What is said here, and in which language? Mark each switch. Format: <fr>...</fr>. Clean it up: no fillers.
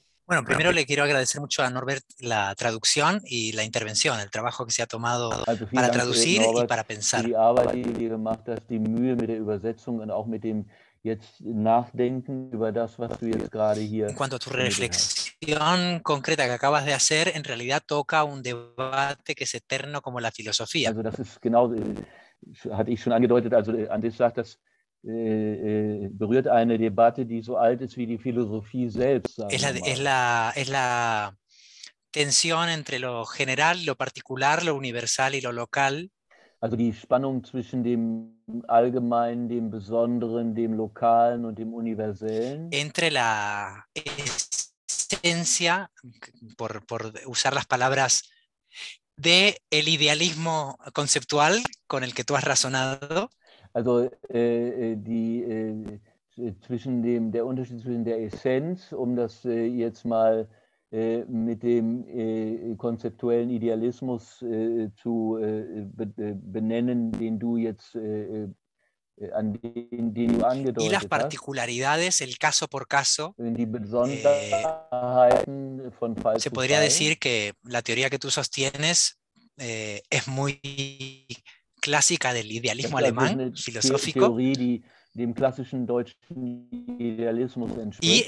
<es>Bueno, primero le quiero agradecer mucho a Norbert la traducción y la intervención, el trabajo que se ha tomado para traducir y para pensar.</es> <de>Die Arbeit, die du gemacht hast, die Mühe mit der Übersetzung und auch mit dem jetzt nachdenken über das, was du jetzt gerade hier.</de> <es>En cuanto a tu reflexión concreta que acabas de hacer, en realidad toca un debate que es eterno como la filosofía.</es> <de>Also das ist genau, hatte ich schon angedeutet, also Andrés sagt, das berührt eine Debatte, die so alt ist wie die Philosophie selbst.</de> <es>Es la tensión entre lo general, lo particular, lo universal y lo local.</es> <de>Also die Spannung zwischen dem Allgemeinen, dem Besonderen, dem Lokalen und dem Universellen.</de> <es>Entre la esencia, por usar las palabras, de el idealismo conceptual con el que tú has razonado.</es> <de>Also zwischen dem der Unterschied zwischen der Essenz, um das jetzt mal mit dem konzeptuellen Idealismus zu benennen, den du jetzt an den du angedeutet hast.</de> <es>Y las particularidades, el caso por caso.</es> <de>Die Besonderheiten von Fall zu Fall.</de> <es>Se podría decir que la teoría que tú sostienes es muy clásica del idealismo alemán, filosófico.</es> <de>Dem klassischen deutschen Idealismus entspricht.</de>